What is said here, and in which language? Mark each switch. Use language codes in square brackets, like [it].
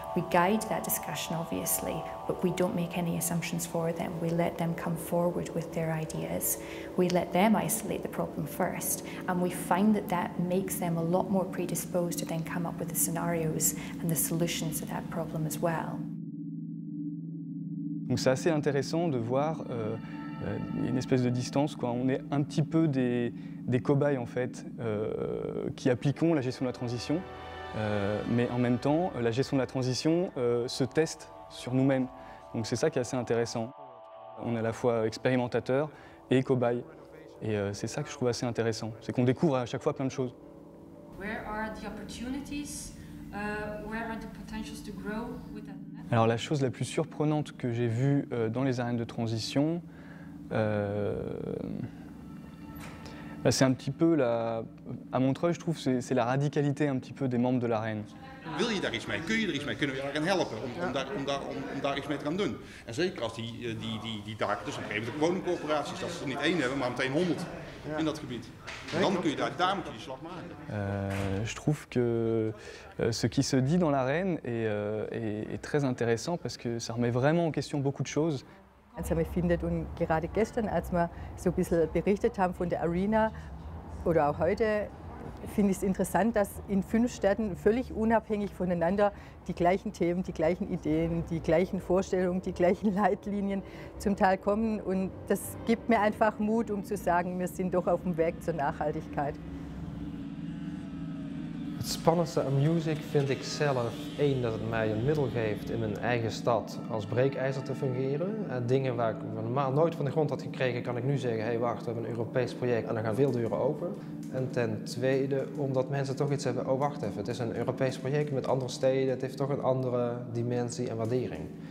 [en] We guide that discussion, obviously, but we don't make any assumptions for them. We let them come forward with their ideas. We let them isolate the problem first, and we find that that makes them a lot more predisposed to then come up with the scenarios and the solutions to that problem as well. [fr] Donc c'est assez intéressant de voir une espèce de distance, quoi. On est un petit peu des cobayes en fait qui appliquons la gestion de la transition. Mais en même temps, la gestion de la transition se teste sur nous-mêmes. Donc c'est ça qui est assez intéressant. On est à la fois expérimentateur et cobaye. Et c'est ça que je trouve assez intéressant. C'est qu'on découvre à chaque fois plein de choses. [en] Where are the opportunities? Where are the potentials to grow with that? [fr] Alors la chose la plus surprenante que j'ai vue dans les arènes de transition, c'est un petit peu, à Montreuil, je trouve, c'est la radicalité un petit peu des membres de l'arène. [nl] Wil je daar iets mee? Kun je er iets mee? Kunnen we je daarin helpen om daar iets mee te gaan doen? En zeker als die daken, dus op een gegeven moment de woningcorporaties, dat ze er niet één hebben, maar meteen 100 in dat gebied. Dan kun je daar moet je die slag maken. [fr] Je trouve que ce qui se dit dans l'arène est très intéressant parce que ça remet vraiment en question beaucoup de choses. [de] Einsame findet und gerade gestern, als wir so ein bisschen berichtet haben von der Arena oder auch heute, finde ich es interessant, dass in fünf Städten völlig unabhängig voneinander die gleichen Themen, die gleichen Ideen, die gleichen Vorstellungen, die gleichen Leitlinien zum Teil kommen. Und das gibt mir einfach Mut, um zu sagen, wir sind doch auf dem Weg zur Nachhaltigkeit. [nl] Het spannendste aan music vind ik zelf, één, dat het mij een middel geeft in mijn eigen stad als breekijzer te fungeren. Dingen waar ik normaal nooit van de grond had gekregen, kan ik nu zeggen, hey, wacht, we hebben een Europees project en dan gaan veel deuren open. En ten tweede, omdat mensen toch iets hebben, oh wacht even, het is een Europees project met andere steden, het heeft toch een andere dimensie en waardering.